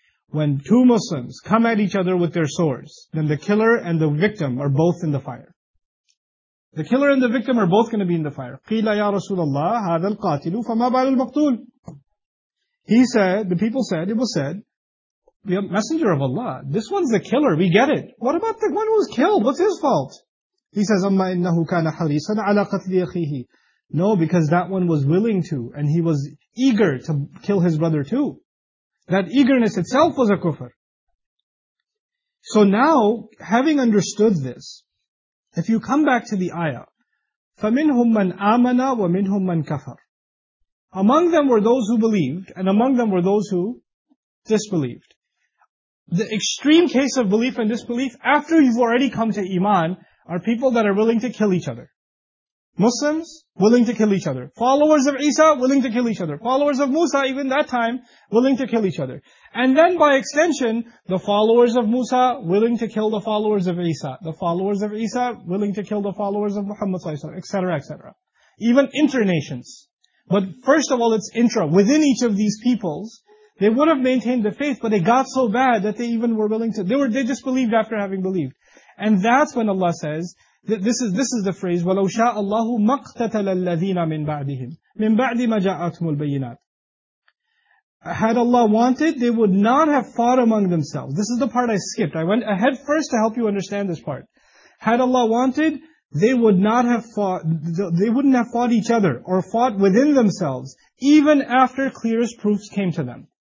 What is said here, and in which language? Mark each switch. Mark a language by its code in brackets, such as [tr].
[en] When two Muslims come at each other with their swords, then the killer and the victim are both in the fire. The killer and the victim are both going to be in the fire. [ar] قِيلَ يَا رَسُولَ اللَّهِ هَذَا الْقَاتِلُ فَمَا بَالُ الْمَقْتُولِ. [en] He said, the people said, it was said, the messenger of Allah, this one's the killer, we get it. What about the one who was killed? What's his fault? He says, [ar] أَمَّا إِنَّهُ كَانَ حَرِيصًا عَلَى قَتْلِ أَخِيهِ. [en] No, because that one was willing to, and he was eager to kill his brother too. That eagerness itself was a kufr. So now, having understood this, if you come back to the ayah, [ar] فَمِنْهُمْ مَنْ آمَنَا وَمِنْهُمْ مَنْ كَفَرَ. [en] Among them were those who believed, and among them were those who disbelieved. The extreme case of belief and disbelief, after you've already come to iman, are people that are willing to kill each other. Muslims, willing to kill each other. Followers of Isa, willing to kill each other. Followers of Musa, even that time, willing to kill each other. And then by extension, the followers of Musa, willing to kill the followers of Isa. The followers of Isa, willing to kill the followers of Muhammad sallallahu alaihi wasallam, etc., etc. Even internations. But first of all, it's intra. Within each of these peoples, They would have maintained the faith, but they got so bad that they even were willing to, they just believed after having believed. And that's when Allah says, this is the phrase, [ar] وَلَوْ شَاءَ اللَّهُ مَقْتَتَلَ الَّذِينَ مِنْ بَعْدِهِمْ مِنْ بَعْدِ مَا جَاءَتْهُمُ الْبَيِّنَاتِ. [en] Had Allah wanted, they would not have fought among themselves. This is the part I skipped. I went ahead first to help you understand this part. Had Allah wanted, they would not have fought, they wouldn't have fought each other or fought within themselves, even after clearest proofs came to them.